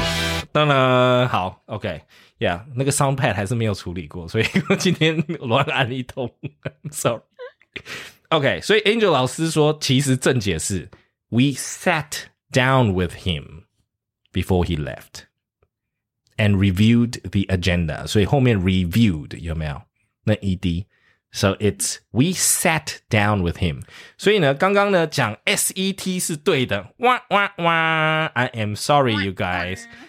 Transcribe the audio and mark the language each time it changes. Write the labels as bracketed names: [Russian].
[Chinese] 噔噔噔，错了，搞错了。噔噔，好 ，OK， yeah， 那个 sound pad 还是没有处理过，所以今天乱按一通 ，sorry。 OK， 所以 Angel 老师说，其实正解是 [English] We sat down with him before he left and reviewed the agenda， [Chinese] 所以后面 reviewed 有没有那 ed？ [English] So it's we sat down with him. [Chinese] 所以呢，刚刚呢讲 SET 是对的。哇哇哇！ [English] I am sorry, you guys.